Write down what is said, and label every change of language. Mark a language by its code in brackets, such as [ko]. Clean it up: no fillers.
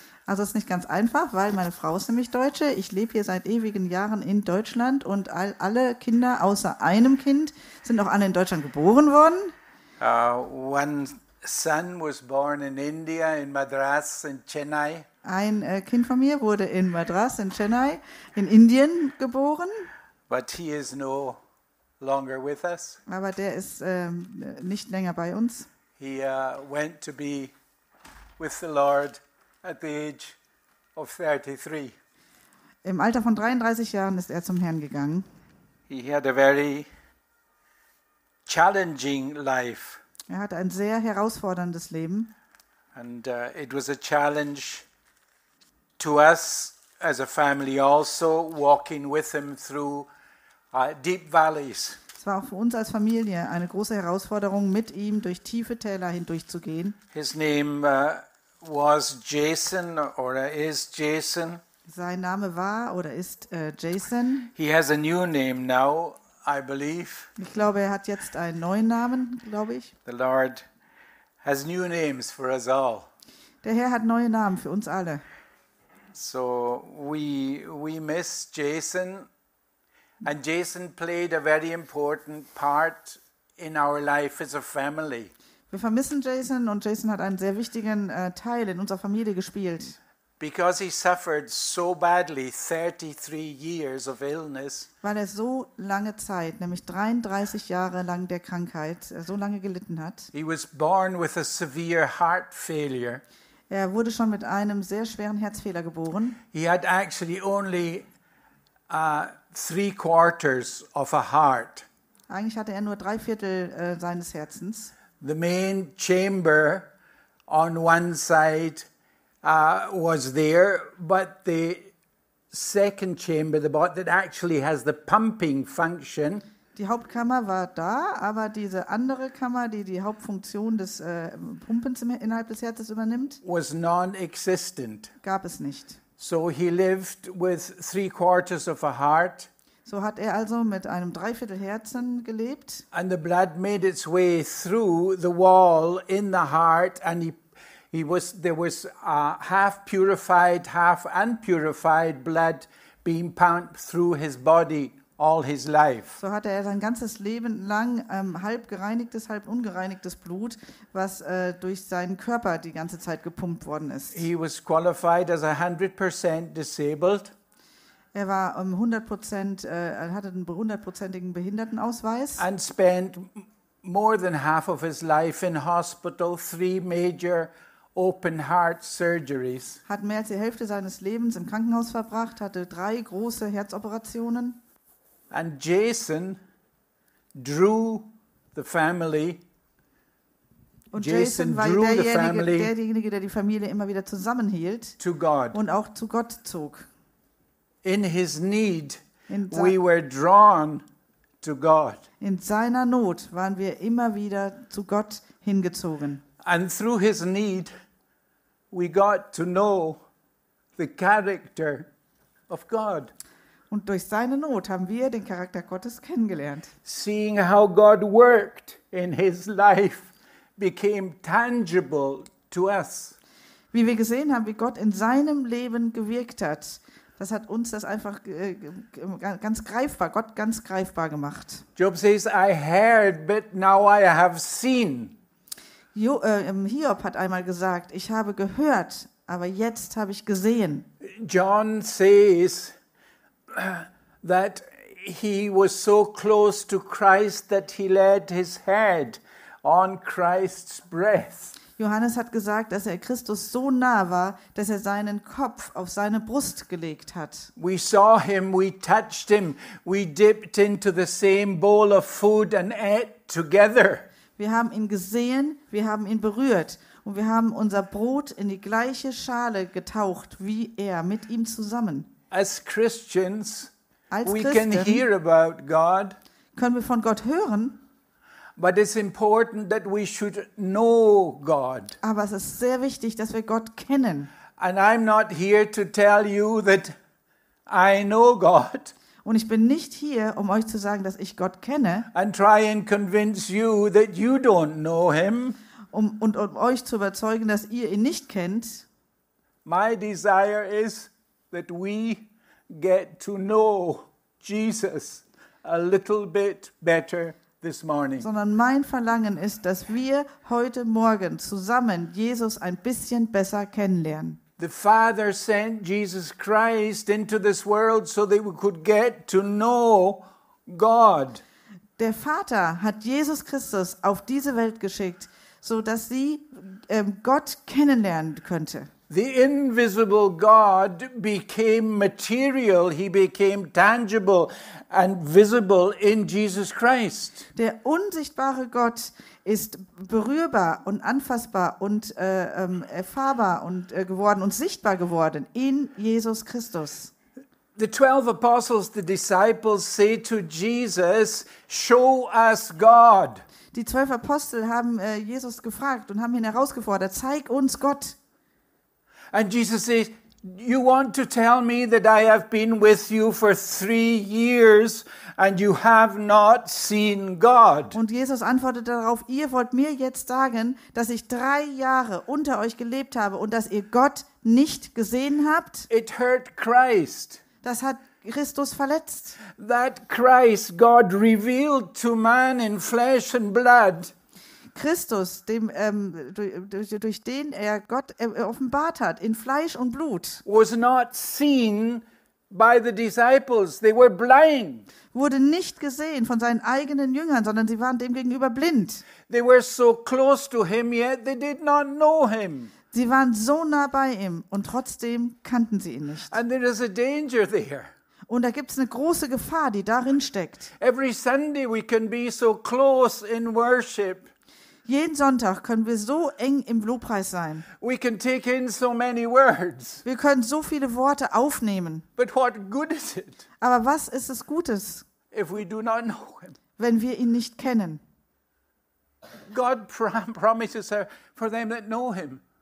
[de] Also es ist nicht ganz einfach, weil meine Frau ist nämlich Deutsche. Ich lebe hier seit ewigen Jahren in Deutschland und alle Kinder außer einem Kind sind auch alle in Deutschland geboren worden. [en] One son was born in India, in Madras, in Chennai. [de] Ein Kind von mir wurde in Madras, in Chennai, in Indien geboren. [en] But he is no longer with us. [de] Aber der ist nicht länger bei uns. [en] He went to be with the Lord at the age of 33. [de] Im Alter von 33 Jahren ist er zum Herrn gegangen. [en] He had a very challenging life. [de] Er hatte ein sehr herausforderndes Leben. [en] And it was a challenge to us as a family also, walking with him through deep valleys. [de] Es war auch für uns als Familie eine große Herausforderung, mit ihm durch tiefe Täler hindurchzugehen. [en] His name was Jason or is Jason. [de] Sein Name war oder ist Jason. [en] He has a new name now, I believe. [de] Ich glaube, er hat jetzt einen neuen Namen, glaube ich. [en] The Lord has new names for us all. [de] Der Herr hat neue Namen für uns alle. [en] So we miss Jason, and Jason played a very important part in our life as a family. [de] Wir vermissen Jason und Jason hat einen sehr wichtigen Teil in unserer Familie gespielt. [en] Because he suffered so badly 33 years of illness. [de] Weil er so lange Zeit, nämlich 33 Jahre lang der Krankheit, so lange gelitten hat. [en] He was born with a severe heart failure. [de] Er wurde schon mit einem sehr schweren Herzfehler geboren. [en] He had actually only three quarters of a heart. [de] Eigentlich hatte er nur drei Viertel seines Herzens. [en] The main chamber on one side was there, but the second chamber, the body that actually has the pumping function. [de] Die Hauptkammer war da, aber diese andere Kammer, die die Hauptfunktion des Pumpens innerhalb des Herzens übernimmt, [en] was non-existent. [de] Gab es nicht. [en] So he lived with three quarters of a heart. [de] So hat er also mit einem Dreiviertel Herzen gelebt. [en] And the blood made its way through the wall in the heart, and there was half purified, half unpurified blood being pumped through his body. All his life. [de] So hatte er sein ganzes Leben lang halb gereinigtes, halb ungereinigtes Blut, was durch seinen Körper die ganze Zeit gepumpt worden ist. [en] He was qualified as 100% disabled. [de] Er war 100%, hatte einen 100%igen Behindertenausweis. [en] And spent more than half of his life in hospital, three major open heart surgeries. [de] Hat mehr als die Hälfte seines Lebens im Krankenhaus verbracht, hatte drei große Herzoperationen. [en] And Jason drew the family. Und Jason drew the family. [de] Derjenige, der die Familie immer wieder zusammenhielt. [en] To God. [de] Und auch zu Gott zog. [en] In his need, we were drawn to God. [de] In seiner Not waren wir immer wieder zu Gott hingezogen. [en] And through his need, we got to know the character of God. [de] Und durch seine Not haben wir den Charakter Gottes kennengelernt. [en] Seeing how God worked in his life became tangible to us. [de] wie wir gesehen haben, wie Gott in seinem Leben gewirkt hat. Das hat uns das einfach ganz greifbar, Gott ganz greifbar gemacht. [en] Job says, I heard, but now I have seen. [de] Hiob hat einmal gesagt, ich habe gehört, aber jetzt habe ich gesehen. [en] John says that he was so close to Christ that he laid his head on Christ's breath. [de] Johannes hat gesagt, dass er Christus so nah war, dass er seinen Kopf auf seine Brust gelegt hat. [en] We saw him, we touched him, we dipped into the same bowl of food and ate together. [de] Wir haben ihn gesehen, wir haben ihn berührt und wir haben unser Brot in die gleiche Schale getaucht wie er, mit ihm zusammen. [en] As Christians, [de] als Christen, [en] we can hear about God, [de] können wir von Gott hören. [en] But it's important that we should know God. [de] Aber es ist sehr wichtig, dass wir Gott kennen. [en] And I'm not here to tell you that I know God. [de] Und ich bin nicht hier, um euch zu sagen, dass ich Gott kenne. [en] And try and convince you that you don't know him. [de] Um euch zu überzeugen, dass ihr ihn nicht kennt. [en] My desire is that we get to know Jesus a little bit better. This morning. [de] Sondern mein Verlangen ist, dass wir heute Morgen zusammen Jesus ein bisschen besser kennenlernen. [en] The Father sent Jesus Christ into this world so that we could get to know God. [de] Der Vater hat Jesus Christus auf diese Welt geschickt, so dass sie Gott kennenlernen könnte. [en] The invisible God became material, he became tangible and visible in Jesus Christ. [de] Der unsichtbare Gott ist berührbar und anfassbar und erfahrbar und geworden und sichtbar geworden in Jesus Christus. [en] The 12 apostles, the disciples say to Jesus, show us God. [de] Die 12 Apostel haben Jesus gefragt und haben ihn herausgefordert, zeig uns Gott. [en] And Jesus says, you want to tell me that I have been with you for 3 years and you have not seen God. [de] Und Jesus antwortet darauf, ihr wollt mir jetzt sagen, dass ich 3 Jahre unter euch gelebt habe und dass ihr Gott nicht gesehen habt? [en] It hurt Christ. [de] Das hat Christus verletzt. [en] That Christ, God revealed to man in flesh and blood. [de] Christus, durch den er Gott offenbart hat, in Fleisch und Blut, [en] was not seen by the disciples. They were blind. [de] Wurde nicht gesehen von seinen eigenen Jüngern, sondern sie waren demgegenüber blind. [en] They were so close to him, yet they did not know him. [de] Sie waren so nah bei ihm und trotzdem kannten sie ihn nicht. [en] And there is a danger there. [de] Und da gibt's eine große Gefahr, die darin steckt. [en] Every Sunday we can be so close in worship. [de] Jeden Sonntag können wir so eng im Lobpreis sein. [en] We can take in so many words. [de] Wir können so viele Worte aufnehmen. [en] But what good is it? [de] Aber was ist es Gutes, [en] if we do not know him? [de] Wenn wir ihn nicht kennen? [en] God promises for them that know him.